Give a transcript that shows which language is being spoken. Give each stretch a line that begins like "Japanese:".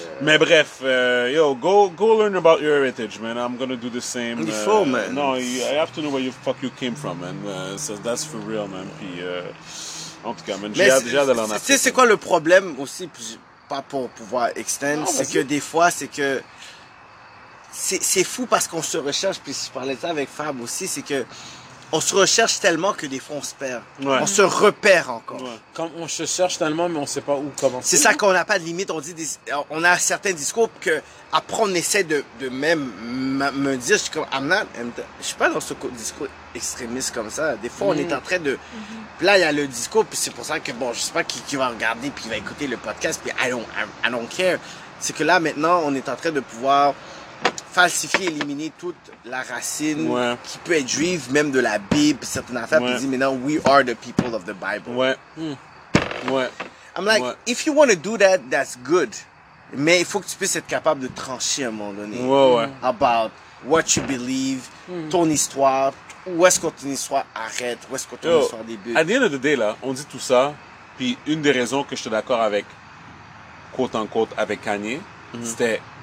French: Mais bref,
English: yo, go learn about your heritage, man. I'm gonna do the same.
French: Il faut, man.
English: No, I have to know where the fuck you came from, man. So that's for real, man.
French: Puis, en tout cas, man, j'ai hâte d'aller en Afrique. Tu sais, c'est quoi le problème aussi, pas pour pouvoir extend, non, c'est que des fois, c'est que. C'est fou parce qu'on se recherche, puis je parlais de ça avec Fab aussi, c'est que. On se recherche tellement que des fois on se perd. Ouais. On se repère encore. Ouais. Comme on se cherche tellement, mais on ne sait pas où commencer. C'est ça qu'on n'a pas de limite. On dit on a certains discours que après on essaie de même me dire. Je suis comme, je suis pas dans ce discours extrémiste comme ça. Des fois on est en train de. Mm-hmm. Là, il y a le discours, puis c'est pour ça que bon, je sais pas qui va regarder, puis qui va écouter le podcast, puis
English: I don't care.
French: C'est que là maintenant, on est en train de pouvoir. Falsifier, éliminer toute la racine qui peut être juive, même de la Bible, certaines affaires, puis dire maintenant,
English: we are the people of the Bible.
French: Ouais. Ouais.
English: I'm like, if you want to do that, that's good.
French: Mais il faut que tu puisses être capable de trancher à un moment donné. Ouais, ouais.
English: About what you believe,
French: ton histoire, où est-ce que ton histoire arrête, où est-ce que ton histoire débute. À
English: the end of the day,
French: là, on dit tout ça, puis une des raisons que je suis d'accord avec, quote en quote, avec Kanye, c'était.